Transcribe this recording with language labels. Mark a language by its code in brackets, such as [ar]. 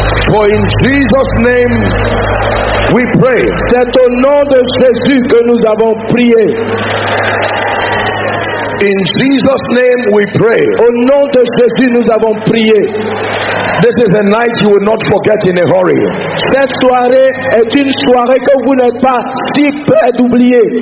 [en] For in Jesus' name we pray. [fr] C'est au nom de Jésus que nous avons prié. [en] In Jesus' name we pray. [fr] Au nom de Jésus nous avons prié. [en] This is a night you will not forget in a hurry. [fr] Cette soirée est une soirée que vous n'êtes pas si près d'oublier.